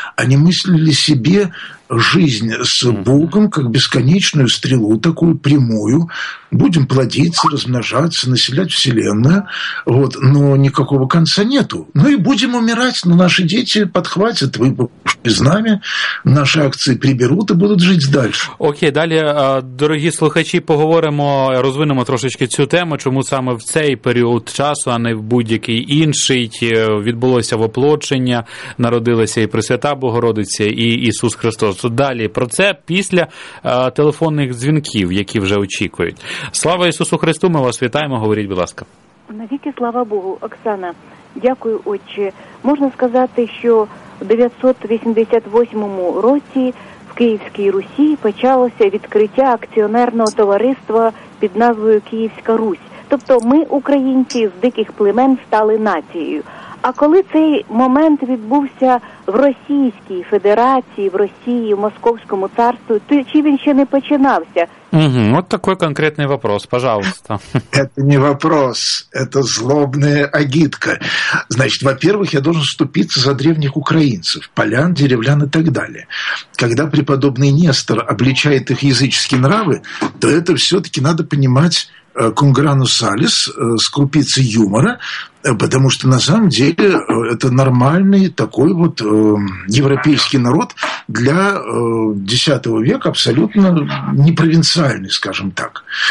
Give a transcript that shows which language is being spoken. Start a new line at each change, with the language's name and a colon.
Russian: Они мыслили себе жизнь с Богом как бесконечную стрелу, такую прямую. Будем плодиться, размножаться, населять Вселенную. Вот, но никакого конца нету. Ну и будем умирать, но наши дети подхватят, выпустят с нами, наши акции приберут и будут жить дальше.
Ukrainian: Окей, далі, дорогі слухачі, поговоримо, розвинемо трошечки цю тему, чому саме в цей період часу, а не в будь-який інший, відбулося воплочення, народилася і Пресвята Богородиця, і Ісус Христос. Далі про це після телефонних дзвінків, які вже очікують. Слава Ісусу Христу, ми вас вітаємо, говоріть, будь ласка. Навіки слава Богу, Оксана, дякую, отче. Можна сказати, що в 988 році в Київській Русі почалося відкриття акціонерного товариства під назвою «Київська Русь». Тобто ми, українці, з диких племен стали нацією. А коли цей момент відбувся в Російській Федерації, в Росії, в Московському царстві, чи він ще не починався –
Russian: Угу, вот такой конкретный вопрос, пожалуйста. Это не вопрос, это злобная агитка. Значит, во-первых, я должен вступиться за древних украинцев, полян, деревлян и так далее. Когда преподобный Нестор обличает их языческие нравы, то это все-таки надо понимать
Latin: cum grano salis,
Russian: с крупицей юмора, потому что на самом деле это нормальный такой вот европейский народ для X века, абсолютно непровинциальный, скажем так.